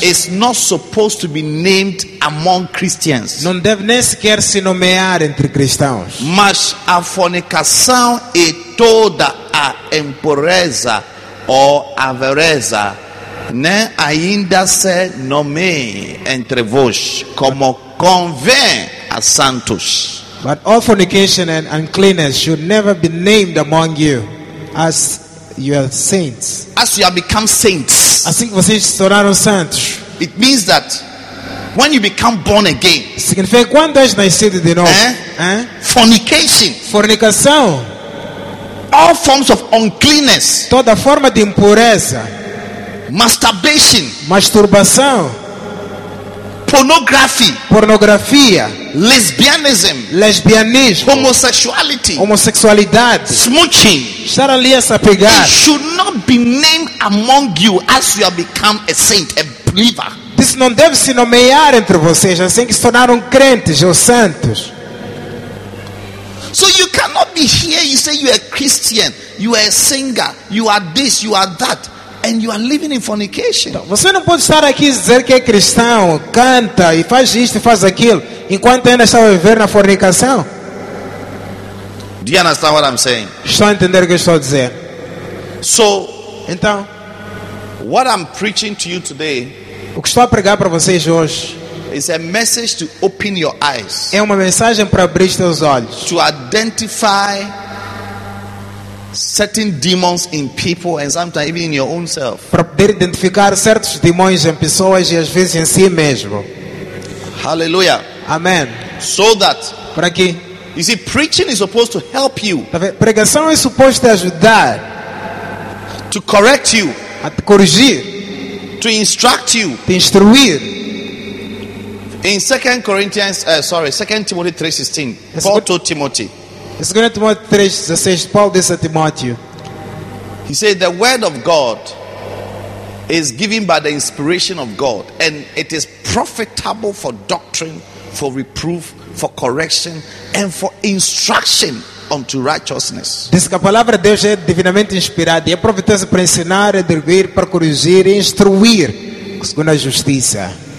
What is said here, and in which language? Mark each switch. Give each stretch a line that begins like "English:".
English: Is not supposed to be named among Christians.
Portuguese: Não deve nem sequer se nomear entre cristãos. Mas a fornicação e toda a impureza ou avareza nem ainda se nomeia entre vós como convém. Santos.
English: But all fornication and uncleanness should never be named among you as you are saints. As you have become saints.
Portuguese: Assim que vocês se tornaram santos.
English: It means that when you become born again.
Portuguese: Significa quando és nascido de novo.
English: Fornication.
Portuguese: Fornicação.
English: all forms of uncleanness,
Portuguese: toda forma de impureza,
English: masturbation,
Portuguese: masturbação,
English: pornography,
Portuguese: pornografia,
English: lesbianism,
Portuguese: lesbianismo,
English: homosexuality,
Portuguese: homossexualidade,
English: smooching,
Portuguese: estar ali a se apegar.
English: It should not be named among you as you have become a saint, a believer. This
Portuguese: não deve se nomear entre vocês assim que se tornaram crentes ou santos.
English: So you cannot be here, you say you are a Christian, you are a singer, you are this, you are that, and you are living in fornication.
Portuguese: Então, você não pode estar aqui e dizer que é cristão, canta e faz isto e faz aquilo, enquanto ainda está a viver na fornicação.
English: Do you understand what I'm saying?
Portuguese: Estou a entender o que estou a dizer.
English: So,
Portuguese: então,
English: what I'm preaching to you today,
Portuguese: o que estou a pregar para vocês hoje,
English: it's a message to open your eyes.
Portuguese: É uma mensagem para abrir teus olhos.
English: To identify certain demons in people and sometimes even in your own self.
Portuguese: Para poder identificar certos demônios em pessoas e às vezes em si mesmo.
English: Hallelujah. Amen. So that.
Portuguese: Para que?
English: You see, preaching is supposed to help you.
Portuguese: Pregação é suposto te ajudar.
English: To correct you.
Portuguese: A te corrigir.
English: To instruct you.
Portuguese: Te instruir.
English: In 2 Timothy 3:16, Paul told Timothy. 2 Timothy 3:16, Paul says to Timothy. He said, "The word of God is given by the inspiration of God, and it is profitable for doctrine, for reproof, for correction, and for instruction unto righteousness."
Portuguese: Diz que a palavra de Deus é divinamente inspirada e é proveitosa para ensinar, redarguir, para corrigir, instruir, segundo a justiça.